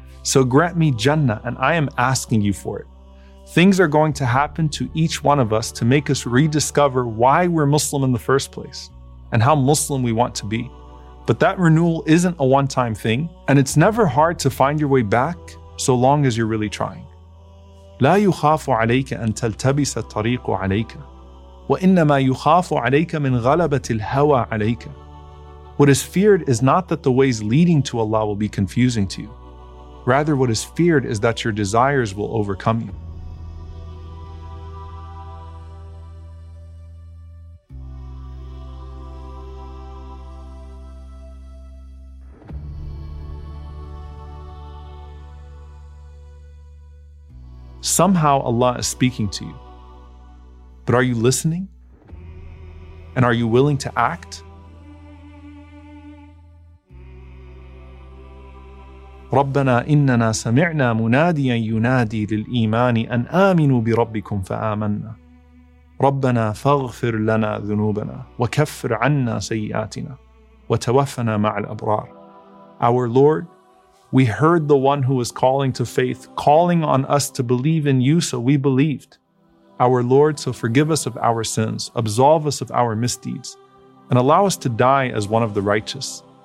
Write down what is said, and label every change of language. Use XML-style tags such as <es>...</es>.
<en>So grant me Jannah and I am asking you for it. Things are going to happen to each one of us to make us rediscover why we're Muslim in the first place and how Muslim we want to be. But that renewal isn't a one-time thing, and it's never hard to find your way back so long as you're really trying.</en> <ar>لا يخاف عليك أن تلتبس الطريق عليك وإنما يخاف عليك من غلبة الهوى عليك.</ar> <en>What is feared is not that the ways leading to Allah will be confusing to you. Rather, what is feared is that your desires will overcome you. Somehow Allah is speaking to you. But are you listening? And are you willing to act?</en> <ar>ربنا إننا سمعنا مناديا ينادي للإيمان أن آمنوا بربكم فآمنا ربنا فاغفر لنا ذنوبنا وكفر عنا سيئاتنا وتوفنا مع الأبرار.</ar> <en>Our Lord, we heard the one who was calling to faith, calling on us to believe in you, so we believed. Our Lord, so forgive us of our sins, absolve us of our misdeeds, and allow us to die as one of the righteous.</en>